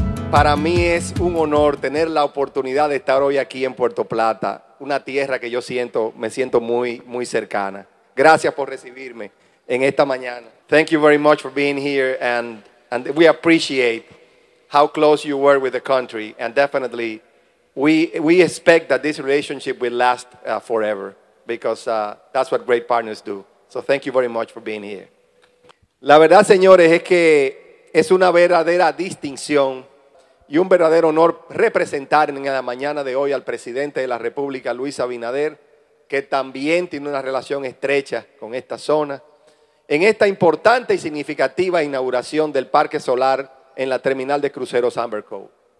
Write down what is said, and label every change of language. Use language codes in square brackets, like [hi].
[es] Para mí es un honor tener la oportunidad de estar hoy aquí en Puerto Plata, una tierra que yo siento, me siento muy, muy cercana. Gracias por recibirme en esta mañana. [en] Thank you very much for being here, and we appreciate how close you were with the country, and definitely we expect that this relationship will last forever, because that's what great partners do. So thank you very much for being here. [es] La verdad, señores, es que es una verdadera distinción y un verdadero honor representar en la mañana de hoy al presidente de la República, Luis Abinader, que también tiene una relación estrecha con esta zona, en esta importante y significativa inauguración del Parque Solar en la terminal de cruceros Amber Cove.